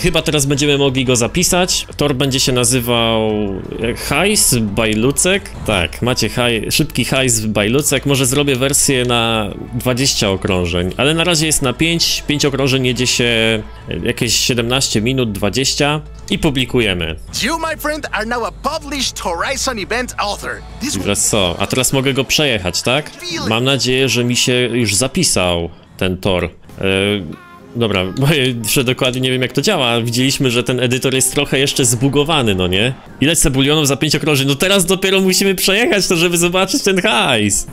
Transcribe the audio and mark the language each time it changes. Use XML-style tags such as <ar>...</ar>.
<pl>Chyba teraz będziemy mogli go zapisać. Tor będzie się nazywał Hajs by Lucek. Tak, macie szybki hajs by Lucek. Może zrobię wersję na 20 okrążeń, ale na razie jest na 5. 5 okrążeń jedzie się jakieś 17 minut, 20. I publikujemy.</pl> <en>You, my friend, are now a published Horizon event author.</en> <pl>Teraz co? A teraz mogę go przejechać, tak? Mam nadzieję, że mi się już zapisał ten tor. Dobra, bo jeszcze dokładnie nie wiem, jak to działa. Widzieliśmy, że ten edytor jest trochę jeszcze zbugowany, no nie? Ile cebulionów za 5 okrążeń? No teraz dopiero musimy przejechać to, żeby zobaczyć ten hajs.</pl>